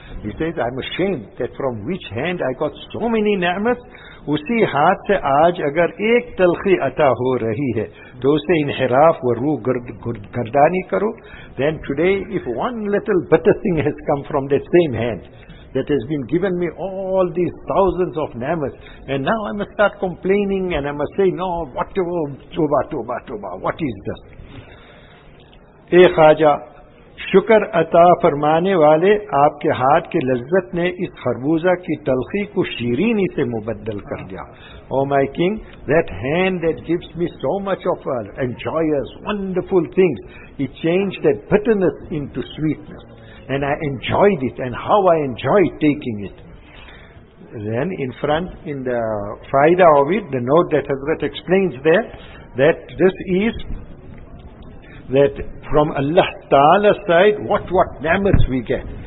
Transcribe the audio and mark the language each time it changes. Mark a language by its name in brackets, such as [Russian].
[English] He says, I'm ashamed that from which hand I got so many [Urdu] نعمت, اسی ہاتھ سے آج اگر ایک تلخی عطا ہو رہی ہے تو اسے انحراف و روح گردانی کرو. [English] Then today if one little bitter thing has come from that same hand that has been given me all these thousands of namas, and now I must start complaining and I must say, no, what toba, toba, toba, what is this? [Urdu] اے خواجہ, شکر عطا فرمانے والے آپ کے ہاتھ کے لذت نے اس خربوزہ کی تلخی کو شیرینی سے مبدل کر دیا. [English] Oh my king, that hand that gives me so much of enjoyous, wonderful things, it changed that bitterness into sweetness. And I enjoyed it, and how I enjoyed taking it. Then in front, in the faida of it, the note that Hazrat explains there, that this is, that from Allah Ta'ala's side, what namats we get.